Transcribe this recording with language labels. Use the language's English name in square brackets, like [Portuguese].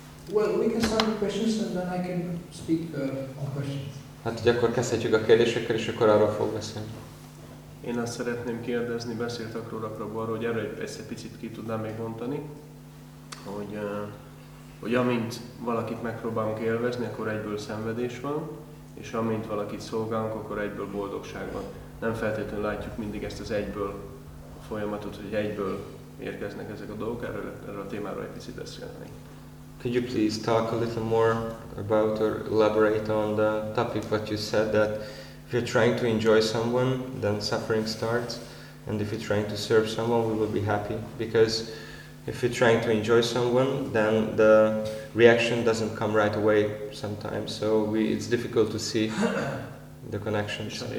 [English] Well, we can start with questions and then I can speak on questions. [Hungarian] Hát, hogy akkor kezdhetjük a kérdésekkel, és akkor arról fog beszélni. Én azt szeretném kérdezni, beszéltek róla Prabhupada, hogy erről ezt egy picit ki tudnám még mondani, hogy amint valakit megpróbálunk élvezni, akkor egyből szenvedés van, és amint valakit szolgálunk, akkor egyből boldogság van. Nem feltétlenül látjuk mindig ezt az egyből a folyamatot, hogy egyből érkeznek ezek a dolgok, erről a témáról egy picit beszélni. [English] Could you please talk a little more about or elaborate on the topic what you said, that if you're trying to enjoy someone, then suffering starts, and if you're trying to serve someone, we will be happy. Because if you're trying to enjoy someone, then the reaction doesn't come right away sometimes, so it's difficult to see the connection.